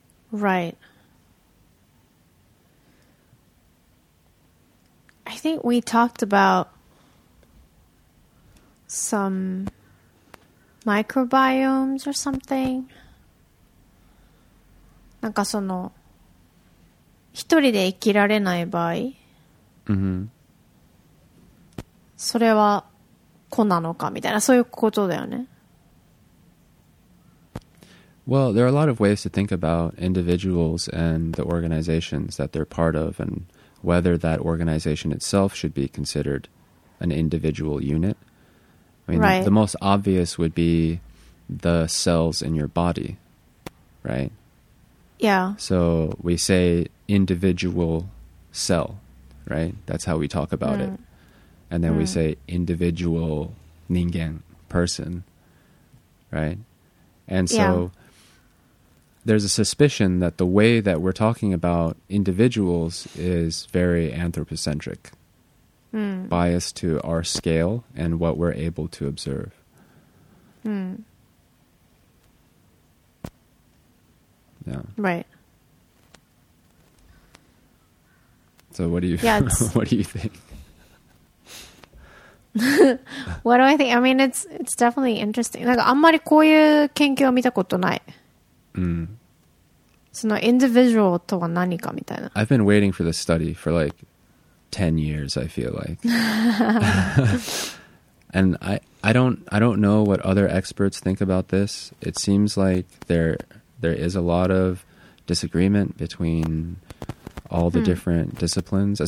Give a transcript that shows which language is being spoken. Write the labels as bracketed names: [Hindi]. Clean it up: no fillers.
[English] Right. I think we talked about some microbiomes or something. [Japanese] なんかその一人で生きられない場合、 mm-hmm. それは子なのかみたいな、そういうことだよね。 [English] Well, there are a lot of ways to think about individuals and the organizations that they're part of and whether that organization itself should be considered an individual unit. I mean, right. The most obvious would be the cells in your body, right? Yeah. So we say individual cell, right? That's how we talk about it. And then we say individual 人間, person, right? And so... Yeah. There's a suspicion that the way that we're talking about individuals is very anthropocentric, biased to our scale and what we're able to observe. Yeah. Right. So what do you what do you think? What do I think? I mean, it's definitely interesting. [Japanese] なんかあんまりこういう研究を見たことない。その individual とは何かみたいな。 [English] I've been waiting for this study for like 10 years, I feel like. And I don't know what other experts think about this. It seems like there is a lot of disagreement between all the different disciplines.